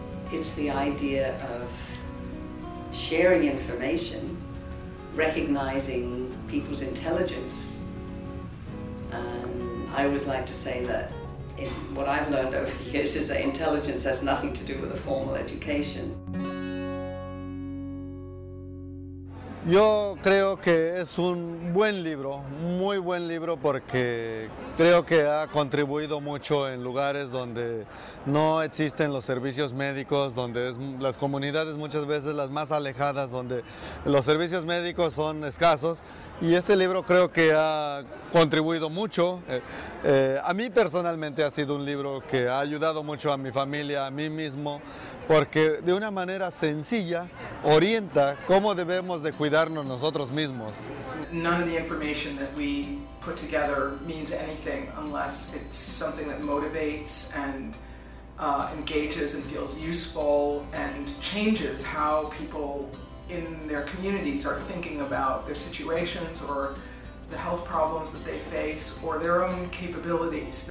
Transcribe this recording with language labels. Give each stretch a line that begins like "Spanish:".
English: It's the idea of sharing information, recognizing people's intelligence. I always like to say that what I've learned over the years is that intelligence has nothing to do with a formal education.
Spanish: Yo creo que es un buen libro, muy buen libro, porque creo que ha contribuido mucho en lugares donde no existen los servicios médicos, donde es las comunidades muchas veces las más alejadas, donde los servicios médicos son escasos. Y este libro creo que ha contribuido mucho. A mí personalmente ha sido un libro que ha ayudado mucho a mi familia, a mí mismo, porque de una manera sencilla orienta cómo debemos de cuidarnos nosotros mismos.
English: None of the information that we put together means anything unless it's something that motivates and engages and feels useful and changes how people in their communities are thinking about their situations or the health problems that they face or their own capabilities.